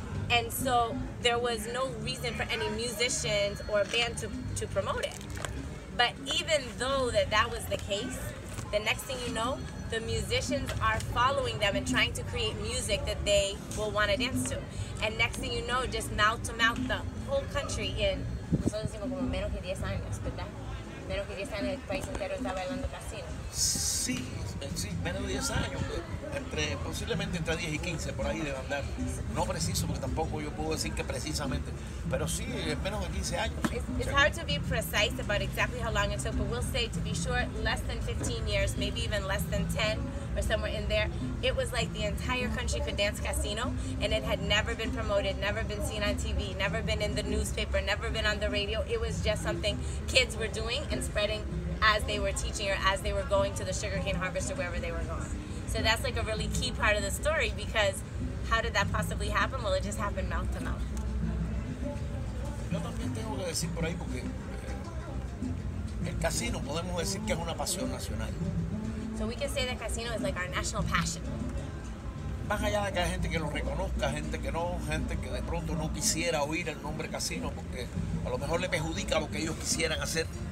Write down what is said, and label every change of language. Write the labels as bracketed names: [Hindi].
[English] And so there was no reason for any musicians or band to promote it. But even though that was the case, the next thing you know, the musicians are following them and trying to create music that they will want to dance to. And next thing you know, just mouth to mouth, the whole country in... [Spanish] Nosotros decimos como menos que 10 años, ¿verdad? Menos que 10 años, el país entero está bailando casino. Sí, menos de 10 años. Posiblemente entre 10 y 15, por ahí debe andar. No preciso, porque tampoco yo puedo decir que precisamente. Pero sí, menos de 15 años. [English] It's hard to be precise about exactly how long it took, but we'll say, to be sure, less than 15 years, maybe even less than 10, or somewhere in there. It was like the entire country could dance casino, and it had never been promoted, never been seen on TV, never been in the newspaper, never been on the radio. It was just something kids were doing and spreading as they were teaching or as they were going to the sugarcane harvest or wherever they were going. So that's like a really key part of the story, because how did that possibly happen? Well, it just happened mouth to mouth. [Spanish] Yo también tengo que decir por ahí, porque el casino podemos decir que es una pasión nacional. [English] So we can say that casino is like our national passion. [Spanish] Más allá de que hay gente que lo reconozca, gente que no, gente que de pronto no quisiera oír el nombre casino porque a lo mejor le perjudica lo que ellos quisieran hacer.